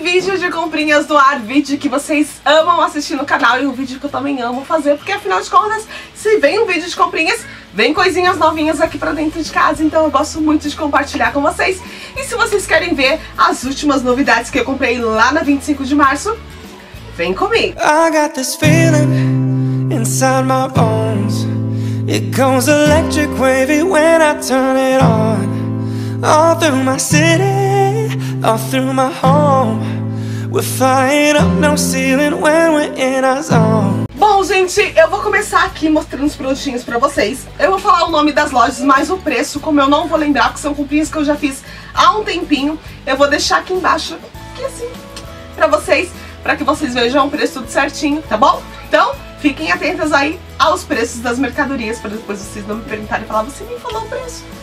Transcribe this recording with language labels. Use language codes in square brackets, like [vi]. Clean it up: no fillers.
[pt] Vídeo de comprinhas no ar, vídeo que vocês amam assistir no canal e um vídeo que eu também amo fazer, porque afinal de contas, se vem um vídeo de comprinhas, vem coisinhas novinhas aqui pra dentro de casa, então eu gosto muito de compartilhar com vocês. E se vocês querem ver as últimas novidades que eu comprei lá na 25 de março, vem comigo! [en] I got this feeling inside my bones. It goes electric wavy when I turn it on. All through my city, all through my home. We're flying up no ceiling when we're in our zone. [pt] Bom, gente, eu vou começar aqui mostrando os produtinhos pra vocês. Eu vou falar o nome das lojas, mas o preço, como eu não vou lembrar, porque são comprinhas que eu já fiz há um tempinho, eu vou deixar aqui embaixo, aqui assim, pra vocês, pra que vocês vejam o preço tudo certinho, tá bom? Então, fiquem atentas aí aos preços das mercadorias, pra depois vocês não me perguntarem e falar, você nem falou o preço.